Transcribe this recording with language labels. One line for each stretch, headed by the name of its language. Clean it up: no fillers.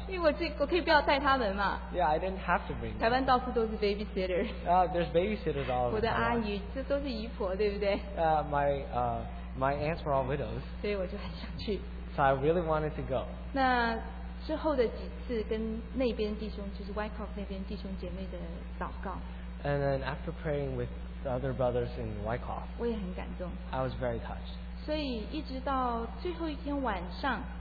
Chinese: 因为我可以不要带他们嘛。
English: Yeah, I didn't have to bring them.
Chinese: 台湾到处都是 babysitter.
English: There's babysitters all over.
Chinese: 我的阿姨, 这都是姨婆, 对不对?
English: My aunts were all widows. So I really wanted to go.
Chinese: 那之后的几次跟那边弟兄,
English: and then after praying with the other brothers in Wyckoff, I was very touched.
Chinese: 所以一直到最后一天晚上,